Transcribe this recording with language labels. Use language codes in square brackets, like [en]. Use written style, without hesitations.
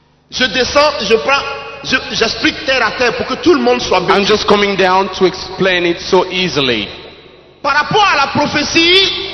[fr] Je descends, je prends, j'explique terre à terre pour que tout le monde soit bien. [en] I'm just coming down to explain it so easily. [fr] Par rapport à la prophétie.